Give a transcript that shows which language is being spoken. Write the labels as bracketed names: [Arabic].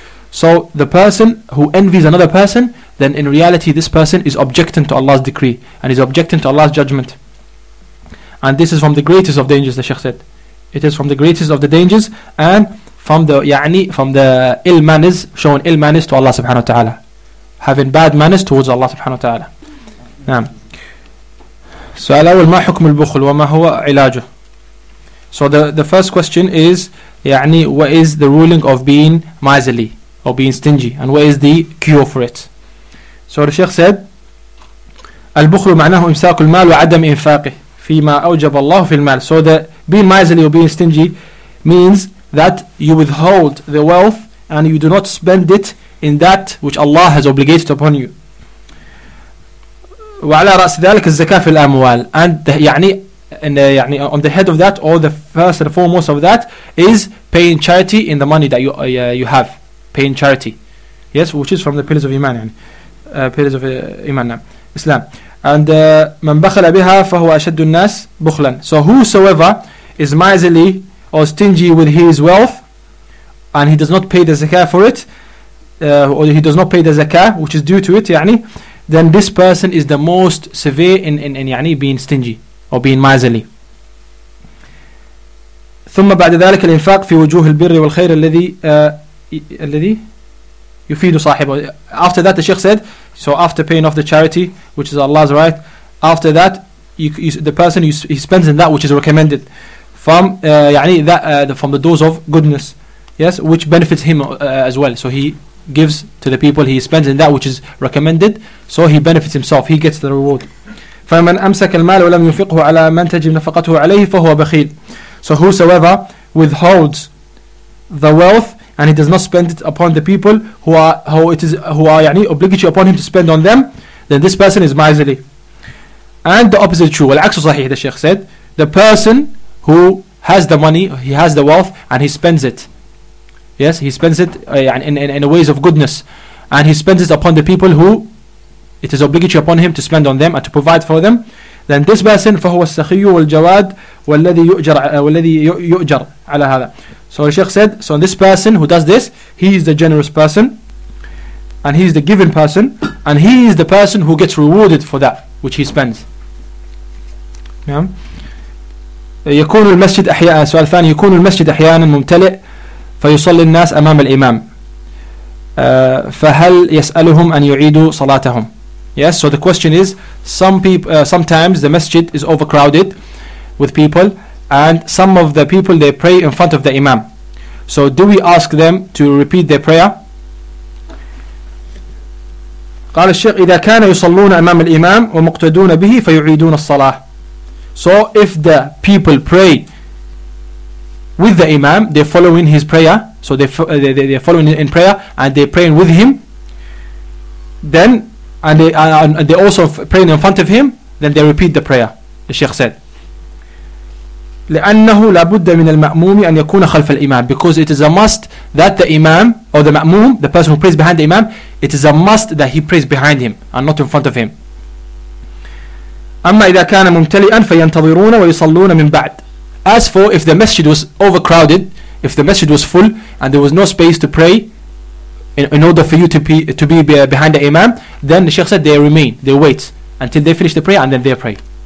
[English] So the person who envies another person, then in reality this person is objecting to Allah's decree and is objecting to Allah's judgment. And this is from the greatest of dangers, the Sheikh said. It is from the greatest of the dangers and from the يعني, from the ill manners, showing ill manners to Allah subhanahu wa ta'ala. Having bad manners towards Allah subhanahu wa ta'ala. [Arabic] سؤال أول ما حكم البخل وما هو علاجه. [English] So the first question is يعني what is the ruling of being miserly or being stingy and what is the cure for it. So the sheikh said [Arabic] البخل معناه إمساك المال وعدم إنفاقه فيما أوجب الله في المال. [English] So that being miserly or being stingy means that you withhold the wealth and you do not spend it in that which Allah has obligated upon you. [Arabic] وعلى رأس ذلك الزكاة في الأموال. [English] And يعني on the head of that, or the first and foremost of that, is paying charity in the money that you have. Paying charity. Yes, which is from the pillars of Iman. Pillars of Iman. Islam. [Arabic] And من بخل بها فهو أشد الناس بخلا. [English] So whosoever is miserly or stingy with his wealth and he does not pay the zakah for it, or he does not pay the zakah which is due to it, يعني, then this person is the most severe in يعني being stingy or being miserly. [Arabic] ثم بعد ذلك الإنفاق في وجوه البر والخير الذي يفيد صاحبه. [English] After that the sheikh said, so after paying off the charity which is Allah's right, after that he spends in that which is recommended from يعني that from the doors of goodness, yes, which benefits him as well. So he gives to the people, he spends in that which is recommended, so he benefits himself, he gets the reward. [Arabic] فمن أمسك المال ولم ينفقه على من تجب نفقته عليه فهو بخيل. [English] So whosoever withholds the wealth and he does not spend it upon the people who are يعني obligatory upon him to spend on them, then this person is miserly. And the opposite is true. [Arabic] والعكس صحيح. [English] The sheikh said the person who has the money, he has the wealth and he spends it, yes, he spends it in ways of goodness, and he spends it upon the people who it is obligatory upon him to spend on them and to provide for them, then this person [Arabic] فهو السخي والجواد والذي يؤجر والذي يؤجر على هذا. [English] So the sheikh said, so this person who does this, he is the generous person and he is the given person and he is the person who gets rewarded for that which he spends. [Arabic] يكون المسجد أحيانا, سؤال ثاني, يكون المسجد أحيانا ممتلئ فيصلي الناس أمام الإمام فهل يسألهم أن يعيدوا صلاتهم. [English] Yes, so the question is, sometimes the masjid is overcrowded with people and some of the people they pray in front of the imam. So do we ask them to repeat their prayer? [Arabic] قال الشيخ إذا كان يصلون أمام الإمام ومقتدون به فيعيدون الصلاة. [English] So if the people pray with the imam, they're following his prayer, so they're following in prayer and they're praying with him, then and they also praying in front of him, then they repeat the prayer, the sheikh said. [Arabic] لأنه لابد من المأموم أن يكون خلف الإمام, [English] because it is a must that the imam or the ma'moom, the person who prays behind the imam, it is a must that he prays behind him and not in front of him. [Arabic] أما إذا كان ممتلئا فينتظرون ويصلون من بعد. [English] As for if the masjid was overcrowded, if the masjid was full and there was no space to pray in order for you to be behind the imam, then the sheikh said they remain, they wait until they finish the prayer and then they pray.